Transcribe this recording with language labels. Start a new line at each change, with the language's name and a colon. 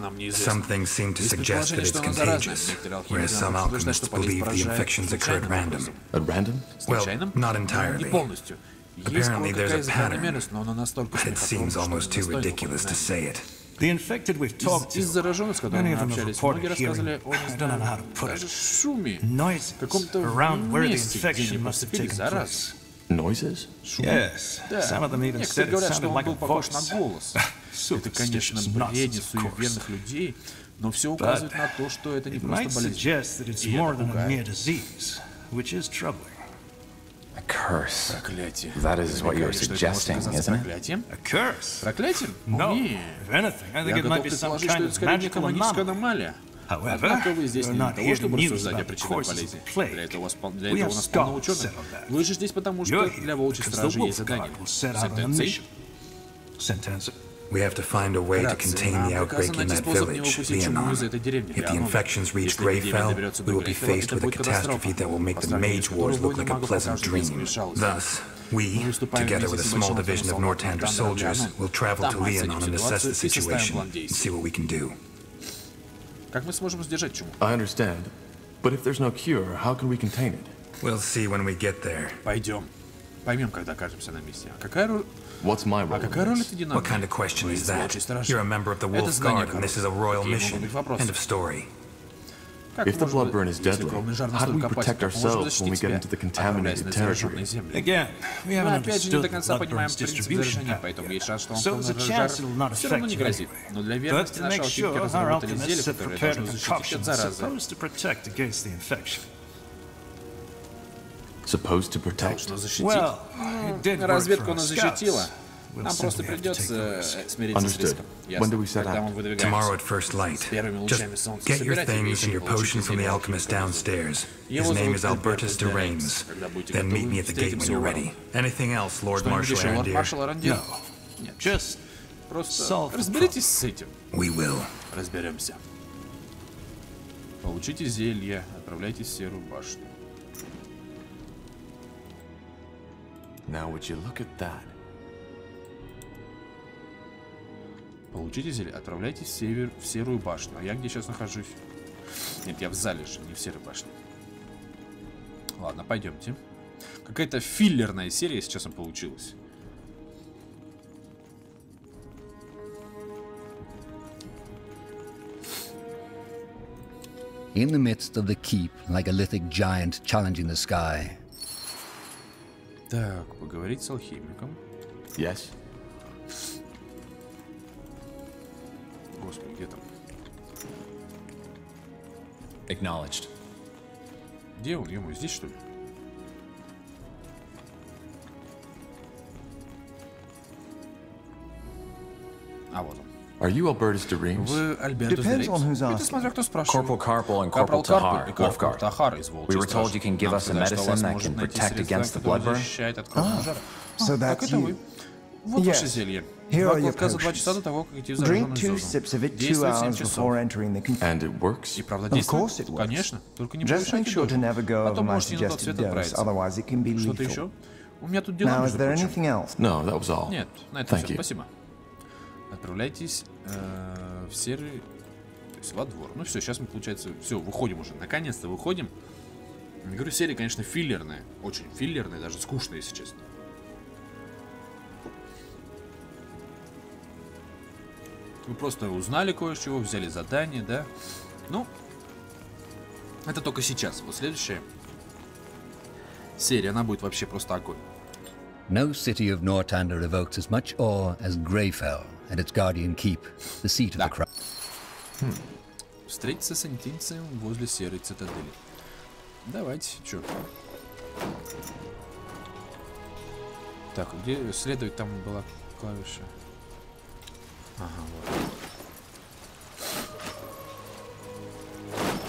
English: Some things seem to suggest that it's contagious, whereas some alchemists believe the infections occurred random. At random? Well, not entirely. Apparently, there's a pattern. But it seems almost too ridiculous to say it. The infected we've talked to,
Russian: зараженных, с которыми мы общались, многие рассказывали о, не знаю, даже шуме, каком-то месте, где они поступили зараз.
English: Noises? Yes. Some of them even said it sounded like a voice.
Russian: Это, конечно, бредни суеверных людей, но все указывает на то, что это не просто болезнь, и это пугает.
English: A curse.
Russian: Проклятие.
English: That is what you're suggesting, isn't it? A curse.
Russian: Проклятие?
English: No. If anything, I think it might be some kind of magical anomaly. However, we're not here to muse about the causes of plague. We have scouts on that.
Russian: Вы же здесь потому, что для волчьей стражи есть задание. Сентенция. Сентенция.
English: We have to find a way to contain the outbreak in that village, Leonon. If the infections reach Greyfell, we will be faced with a catastrophe that will make the Mage Wars look like a pleasant dream. Thus, we, together with a small division of Nortander soldiers, will travel to Leonon and assess the situation and see what we can do. I understand. But if there's no cure, how can we contain it? We'll see when we get there.
Russian: Пойдем. Поймем, когда окажемся на месте.
English: What's my role?
Russian: А какая роль ты динамик?
English: What kind of question is that? You're a member of the Wolf Guard, and this is a royal mission. End of story. If the Bloodburn is deadly, how do we protect ourselves when we get into the contaminated territory? Again, we haven't understood the Bloodburn's distribution yet. So there's a chance it will not affect you anyway. But to make sure our alchemists have prepared a concoction supposed to protect against the infection. Supposed to protect. Well,
Russian: разведка нас защитила. Нам просто придется смириться с риском. Когда мы выдвигаемся?
English: Tomorrow at first light. Just get your things and your potions from the alchemist downstairs. His name is Albertus de Reims. Then meet me at the gate when you're ready. Anything else, Lord Marshal Arandir? No. Just
Russian: просто разберитесь с этим.
English: We will.
Russian: Разберемся. Получите зелье. Отправляйтесь в серую башню.
English: Now would you look at that?
Russian: Получите зелье, отправляйтесь в серую башню. А я где сейчас нахожусь? Нет, я в зале же, не в серой башне. Ладно, пойдемте. Какая-то филлерная серия сейчас она получилась.
English: In the midst of the keep, like a lithic giant challenging the sky.
Russian: Так, поговорить с алхимиком.
English: Yes.
Russian: Господи, где там?
English: Acknowledged.
Russian: Где он, ё-моё, здесь что ли? А вот он.
English: Are you Albertus de Reims?
Russian: Вы Альбертус де Реймс? Это смотря кто спрашивает.
English: Corporal Carpel and Corporal Tahar, Wolfguard.
Russian: Tahar из Волчьей
English: We were told you can give us a medicine that can protect against the bloodburn. So that's you.
Russian: Вот ваше зелье.
English: Here are your potions. Drink two sips of it 2 hours before entering the confinement. And it works? Of course it works. Just make sure to never go over my suggested dose, otherwise it can be lethal. Now is there anything else? No, that was all. Thank you.
Russian: Отправляйтесь в серый, то есть во двор. Ну все, сейчас мы, получается, все, выходим уже. Наконец-то выходим. Я говорю, серия, конечно, филлерная. Очень филлерная, даже скучная, если честно. Мы просто узнали кое-чего, взяли задание, да? Ну, это только сейчас. Вот следующая серия, она будет вообще просто огонь.
English: No city of Northander evokes as much awe as Greyfell. And its guardian keep, the seat of the crown.
Russian: Встретиться с Антинцием возле серой цитадели. Давайте, чё. Так, где следует там была клавиша? Ага, вот.